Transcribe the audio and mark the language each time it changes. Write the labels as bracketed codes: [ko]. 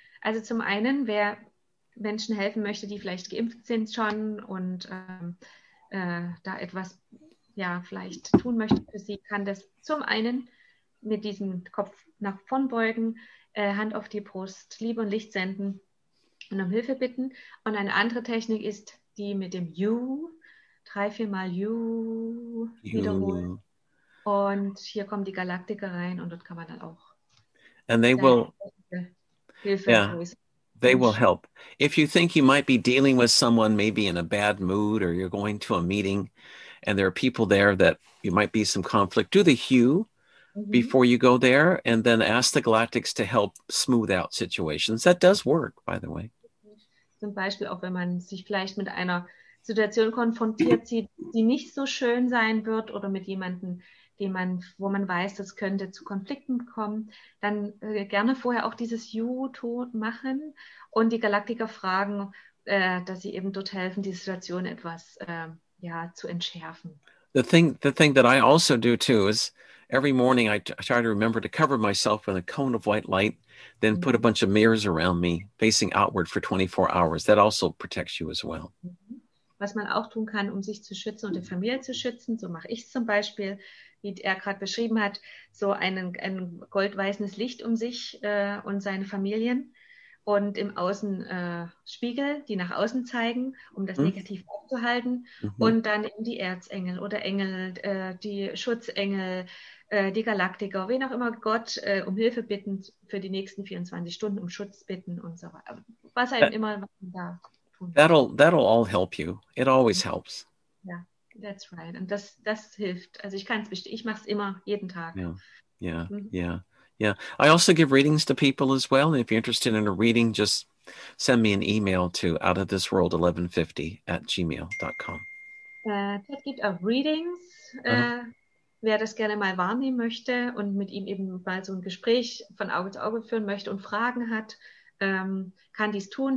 [de] Also zum einen, wer Menschen helfen möchte, die vielleicht geimpft sind schon und da etwas ja vielleicht tun möchte für sie, kann das zum einen mit diesem Kopf nach vorn beugen, Hand auf die Brust, Liebe und Licht senden und um Hilfe bitten. Und eine andere Technik ist die mit dem You, 3-4 Mal You, wiederholen. Und hier kommen die Galaktiker rein und dort kann man dann auch. [en] And they will, [de] Hilfe. [en] Yeah, they will help. If you think you might be dealing with someone maybe in a bad mood or you're going to a meeting and there are people there that you might be some conflict, do the hue mm-hmm. before you go there and then ask the Galactics to help smooth out situations. That does work, by the way. [de] Zum Beispiel auch, wenn man sich vielleicht mit einer Situation konfrontiert sieht, die nicht so schön sein wird oder mit jemandem, den man, wo man weiß, das könnte zu Konflikten kommen, dann gerne vorher auch dieses You-Ton machen und die Galaktiker fragen, dass sie eben dort helfen, die Situation etwas ja, zu entschärfen. [en] The thing that I also do too is every morning I try to remember to cover myself in a cone of white light, then put a bunch of mirrors around me facing outward for 24 hours. That also protects you as well. [de] Was man auch tun kann, um sich zu schützen und die Familie zu schützen, so mache ich es zum Beispiel, wie er gerade beschrieben hat, so ein goldweißes Licht um sich und seine Familien und im Außen Spiegel, die nach außen zeigen, um das negativ aufzuhalten mhm. und dann eben die Erzengel oder Engel, die Schutzengel, die Galaktiker, wen auch immer, Gott um Hilfe bitten für die nächsten 24 Stunden, um Schutz bitten und so weiter. Was einem immer was man da tun. [en] That'll all help you. It always helps. [de] Ja. [en] Yeah. That's right. And [de] das hilft. Also ich kann es bestätigen. Ich mache es immer, jeden Tag. [en] Yeah, yeah, mm-hmm. yeah, yeah. I also give readings to people as well. And if you're interested in a reading, just send me an email to outofthisworld1150@gmail.com. [de] Ted gibt auch Readings. Uh-huh. Wer das gerne mal wahrnehmen möchte und mit ihm eben mal so ein Gespräch von Auge zu Auge führen möchte und Fragen hat, kann dies tun.